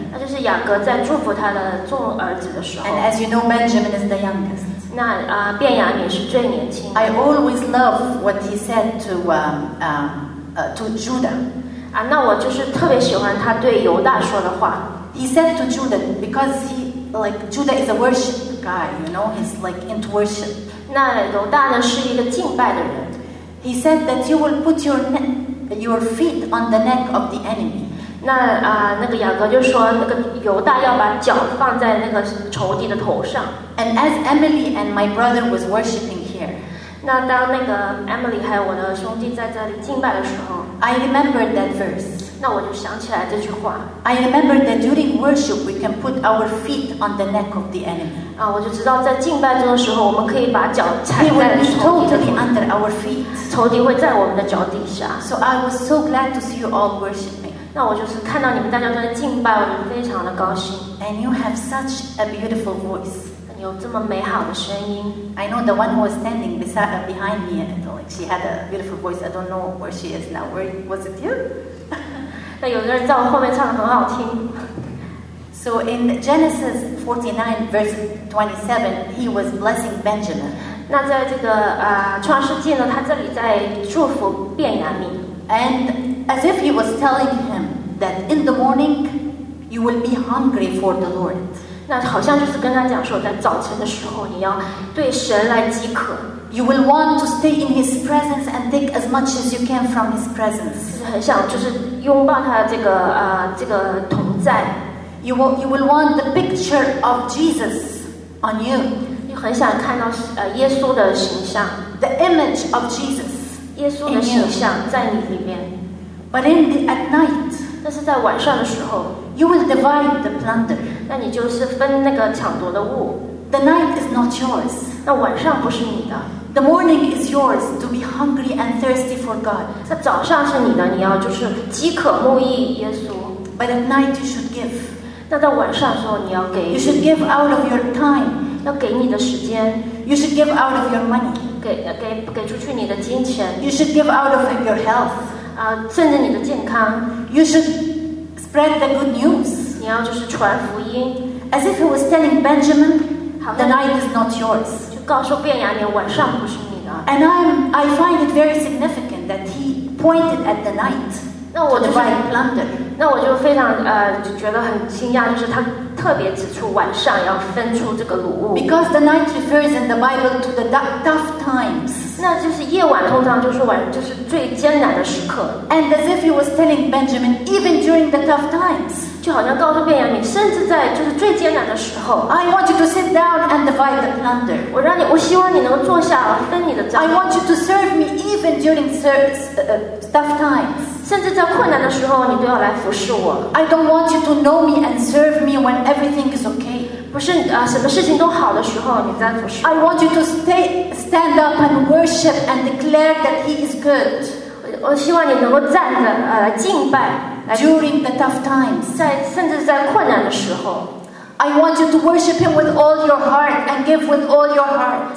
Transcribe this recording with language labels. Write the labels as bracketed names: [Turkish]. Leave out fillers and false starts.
[Chinese] 那就是雅各在祝福他的众儿子的时候。 [English] And as you know, Benjamin is the youngest. [Chinese] 那便雅悯是最年轻的。 [English] I always love what he said to Judah. [Chinese] 那我就是特别喜欢他对犹大说的话。 [English] He said to Judah because Judah is a worship guy, you know, he's like into worship. [Chinese] 那犹大呢是一个敬拜的人。 [English] He said that you will put your feet on the neck of the enemy. [Chinese] 那那个雅各就说那个犹大要把脚放在那个仇敌的头上。 [English] And as Emily and my brother was worshiping here, [Chinese] 那当那个 Emily 还有我的兄弟在这里敬拜的时候 [English] I remembered that verse. [Chinese] 那我就想起来这句话。 [English] I remember that during worship we can put our feet on the neck of the enemy. [Chinese] 啊，我就知道在敬拜中的时候，我们可以把脚踩在仇敌的头上。 [English] Totally under our feet. [Chinese] 仇敌会在我们的脚底下。 [English] So I was so glad to see you all worshiping. [Chinese] 那我就是看到你们大家都在敬拜，我就非常的高兴。 [English] And you have such a beautiful voice. [Chinese] 有这么美好的声音。 [English] I know the one who was standing beside behind me, and she had a beautiful voice. I don't know where she is now. Where was it you? [Chinese] 那有的人在我后面唱得很好听。 [English] So in Genesis 49 verse 27, he was blessing Benjamin. [Chinese] 那在这个创世纪呢，他这里在祝福便雅悯。 [English] And as if he was telling him that in the morning you will be hungry for the Lord. [Chinese] 那好像就是跟他讲说，在早晨的时候，你要对神来饥渴。 [English] You will want to stay in His presence and take as much as you can from His presence. [Chinese] 就是很想，就是拥抱他的这个这个同在。 [English] You will want the picture of Jesus on you. [Chinese] 你很想看到耶稣的形象。 [English] The image of Jesus. [Chinese] 耶稣的形象在你里面。 [English] But in the at night. [Chinese] 那是在晚上的时候。 [English] You will divide the plunder. [Chinese] 那你就是分那个抢夺的物。 [English] The night is not yours. [Chinese] 那晚上不是你的。 [English] The morning is yours to be hungry and thirsty for God. [Chinese] 那早上是你的，你要就是饥渴慕义耶稣。 [English] But at night you should give. [Chinese] 那在晚上的时候你要给。 [English] You should give out of your time. [Chinese] 要给你的时间。 [English] You should give out of your money. [Chinese] 给出去你的金钱。 [English] You should give out of your health. [Chinese] 甚至你的健康。 [English] You should. Spread the good news. [Chinese] 你要就是传福音 [English] ，as if he was telling Benjamin, the night is not yours. [Chinese] 就告诉便雅悯，晚上不是你的。 [English] And I find it very significant that he pointed at the night. [Chinese] 那我就是 [English] plunder. [Chinese] 那我就非常就觉得很惊讶，就是他特别指出晚上要分出这个掳物。 [English] Because the night refers in the Bible to the tough times. [Chinese] 那就是夜晚，通常就是晚，就是最艰难的时刻。 [English] And as if he was telling Benjamin, even during the tough times, [Chinese] 就好像告诉便雅悯，甚至在就是最艰难的时候。 [English] I want you to sit down and divide the plunder. [Chinese] 我让你，我希望你能坐下分你的账。 [English] I want you to serve me even during tough times. [Chinese] 甚至在困难的时候，你都要来服侍我。 [English] I don't want you to know me and serve me when everything is okay. [Chinese] 不是什么事情都好的时候，你再服侍我。 [English] I want you to stand up and worship and declare that He is good. [Chinese] 我希望你能够站着敬拜。 [English] During the tough times, [Chinese] 甚至在困难的时候。 [English] I want you to worship Him with all your heart and give with all your heart.